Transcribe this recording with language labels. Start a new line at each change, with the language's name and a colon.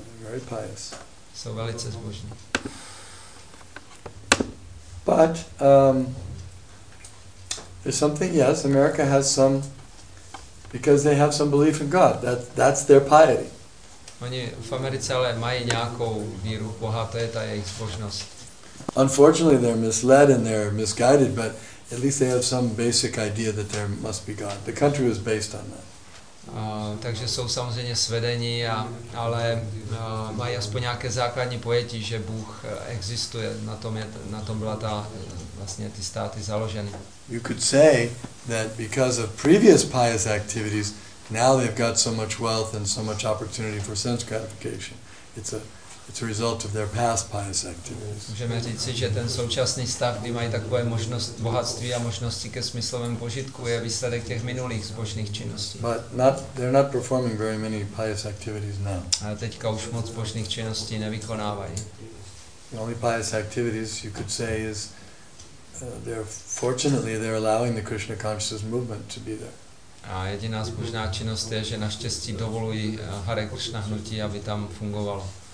English: Very pious.
Czech: Jsou velice zbožní.
English: But there's something, yes, America has some, because they have some belief in God. That's their piety.
Czech: Oni v Americe ale mají nějakou víru v Boha, to je ta jejich zbožnost.
English: Unfortunately, they're misled and they're misguided, but at least they have some basic idea that there must be God. The country was based on that.
Czech: Takže jsou samozřejmě svedení, ale mají aspoň nějaké základní pojetí, že Bůh existuje. Na tom je, na tom byla ta vlastně ty státy založeny.
English: You could say that because of previous pious activities, now they've got so much wealth and so much opportunity for sense gratification. It's a result of their past pious activities.
Czech: Můžeme říci, že ten současný stav, kdy mají takové možnost bohatství a možnosti ke smyslovému požitku, je výsledek těch minulých zbožných činností.
English: But not, they're not performing very many pious activities now.
Czech: A teďka už moc zbožných činností nevykonávají.
English: The only pious activities you could say is they're allowing the Krishna consciousness movement to be there.
Czech: A jediná zbožná činnost je, že naštěstí dovolují Hare Krishna hnutí, aby tam fungovalo.